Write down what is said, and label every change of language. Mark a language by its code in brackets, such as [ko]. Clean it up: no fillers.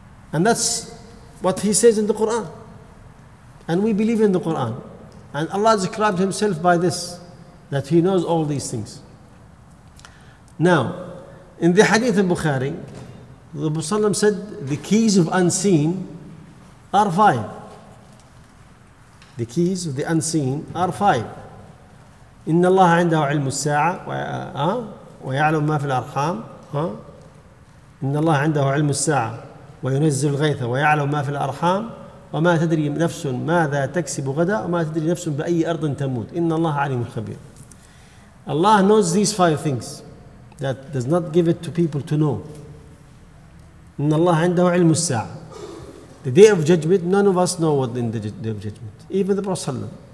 [en] And that's what he says in the Quran. And we believe in the Quran. And Allah described himself by this, that he knows all these things. Now, in the hadith of Bukhari, the Prophet ﷺ said, the keys of unseen are five. The keys of the unseen are five. [ar] إن الله عنده علم الساعة ويعلم ما في الأرحام إن الله عنده علم الساعة وينزل الغيث ويعلم ما في الأرحام وما تدري نفس ماذا تكسب غدا وما تدري نفس بأي أرض تموت إن الله عليم خبير. [en] Allah knows these five things that does not give it to people to know. [ar] إن الله عنده علم الساعة. [en] The day of judgment, none of us know what in the day of judgment. Even the Prophet ﷺ.